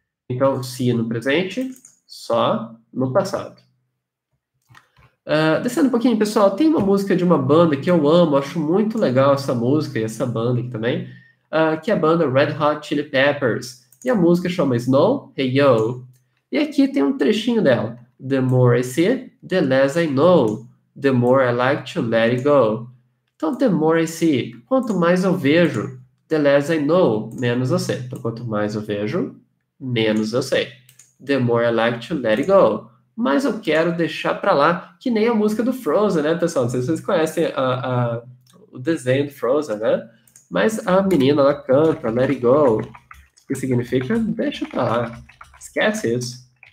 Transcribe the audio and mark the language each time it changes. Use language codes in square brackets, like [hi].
[pt] Então, see no presente, saw no passado. Descendo um pouquinho, pessoal, tem uma música de uma banda que eu amo, acho muito legal essa música e essa banda aqui também, que é a banda Red Hot Chili Peppers. E a música chama Snow, Hey Yo. E aqui tem um trechinho dela. [en] The more I see, the less I know. The more I like to let it go. [pt] Então, [en] the more I see, [pt] quanto mais eu vejo, [en] the less I know, [pt] menos eu sei. Então, quanto mais eu vejo, menos eu sei. [en] The more I like to let it go. [pt] Mas eu quero deixar pra lá, que nem a música do Frozen, né, pessoal? Não sei se vocês conhecem o desenho do Frozen, né? Mas a menina, ela canta, [en] let it go, [pt] que significa deixa pra lá. Esquece isso.